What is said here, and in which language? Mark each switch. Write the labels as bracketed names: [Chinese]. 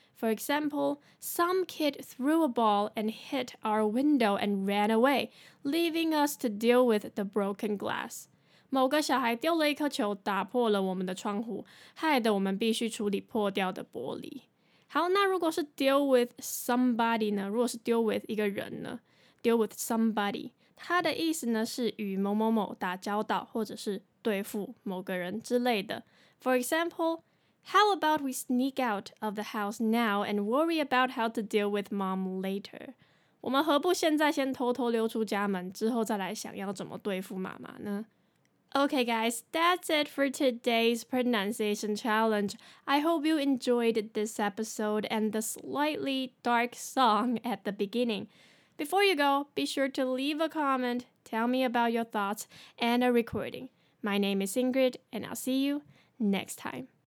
[English] For example, some kid threw a ball and hit our window and ran away, leaving us to deal with the broken glass. [Chinese] 某个小孩丢了一颗球，打破了我们的窗户，害得我们必须处理破掉的玻璃。好，那如果是 deal with somebody 呢？如果是 deal with 一个人呢？ deal with somebody, 它的意思呢是与某某某打交道，或者是对付某个人之类的。 [English] For example, how about we sneak out of the house now and worry about how to deal with mom later? [Chinese] 我们何不现在先偷偷溜出家门，之后再来想要怎么对付妈妈呢？ [English] Okay guys, that's it for today's pronunciation challenge. I hope you enjoyed this episode and the slightly dark song at the beginning. Before you go, be sure to leave a comment, tell me about your thoughts, and a recording. My name is Ingrid, and I'll see you next time.